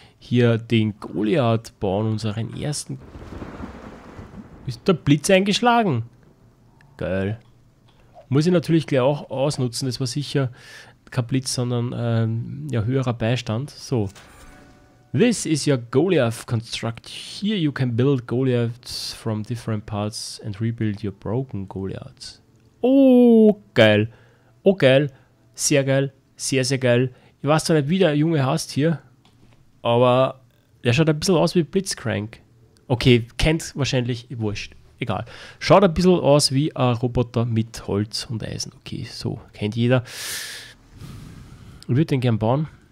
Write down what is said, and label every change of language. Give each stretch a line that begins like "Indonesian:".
German: hier den Goliath bauen, unseren ersten. Ist der Blitz eingeschlagen? Geil. Muss ich natürlich gleich auch ausnutzen. Das war sicher kein Blitz, sondern ja, höherer Beistand.
English: So. This is your Goliath construct. Here you can build Goliaths from different parts and rebuild your broken Goliaths.
German: Oh, geil. Oh, geil. Sehr geil. Sehr, sehr geil. Ich weiß zwar nicht, wie der Junge heißt hier, aber der schaut ein bisschen aus wie Blitzcrank. Okay, kennt wahrscheinlich, wurscht. Egal. Schaut ein bisschen aus wie ein Roboter mit Holz und Eisen. Okay, so, kennt jeder. Ich würde den gern bauen.